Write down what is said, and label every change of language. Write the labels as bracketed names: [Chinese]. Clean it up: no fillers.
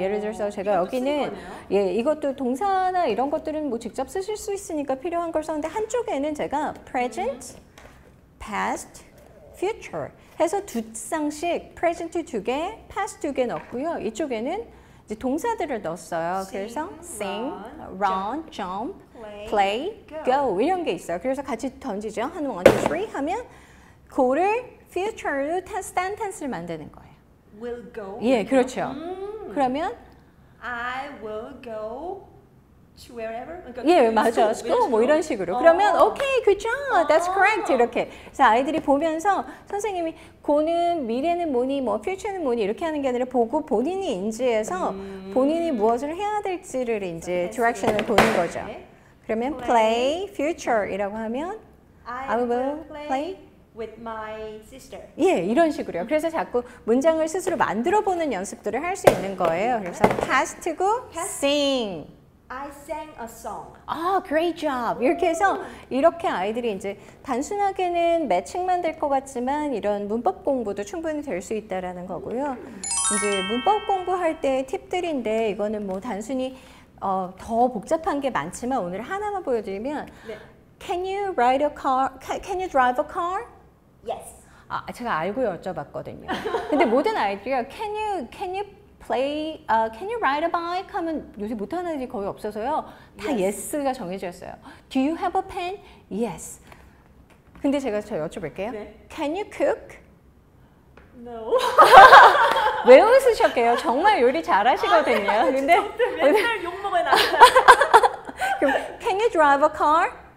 [Korean] 예를 들어서 제가 여기는 예 이것도 동사나 이런 것들은 뭐 직접 쓰실 수 있으니까 필요한 걸 썼는데 한쪽에는 제가 present, past, future 해서 두 쌍씩 present 두 개, past 두 개 넣었고요. 이쪽에는 이제 동사들을 넣었어요. [English] Sing, [Korean] 그래서 [English] sing, run, jump, play, go 이런 게 있어요. [Korean] 그래서 같이 던지죠. 한 [English] one, two, three [Korean] 하면 go를 future로 stand tense를 만드는 거예요. [English] Will go. [Korean] 예, 그렇죠. 그러면 [English] I will go to wherever. [Korean] 그러니까 예, 맞아. So, go 뭐 이런 식으로. 그러면 [English] okay, good job. That's correct. [Korean] 이렇게. 그래서 아이들이 보면서 선생님이 고는 미래는 뭐니 뭐 퓨처는 뭐니 이렇게 하는 게 아니라 보고 본인이 인지해서 본인이 무엇을 해야 될지를 이제 디렉션을 보는 거죠. 그러면 play future이라고 하면 [English] I will play with my sister. [Korean] 예, 이런 식으로요. 그래서 자꾸 문장을 스스로 만들어 보는 연습들을 할 수 있는 거예요. 그래서 past고 sing. [English] I sang a song. [Korean] 아, great job. 이렇게 해서 이렇게 아이들이 이제 단순하게는 매칭만 될 것 같지만 이런 문법 공부도 충분히 될 수 있다라는 거고요. 이제 문법 공부할 때 팁들인데 이거는 뭐 단순히 더 복잡한 게 많지만 오늘 하나만 보여드리면 네. [English] Can you ride a car? Can you drive a car? Yes. [Korean] 아, 제가 알고 여쭤봤거든요. 근데 모든 아이들이요. [English] Can you play can you ride a bike [Korean] 하면 요새 못 하는 애들이 거의 없어서요. 다 yes가 정해졌어요. [English] Do you have a pen? Yes. [Korean] 근데 제가 저 여쭤볼게요. 네. [English] Can you cook? No. [Korean] 왜 웃으셨게요? 정말 요리 잘 하시거든요. 아, 근데 맨날 욕 먹어야 나요. [English] Can you drive a car?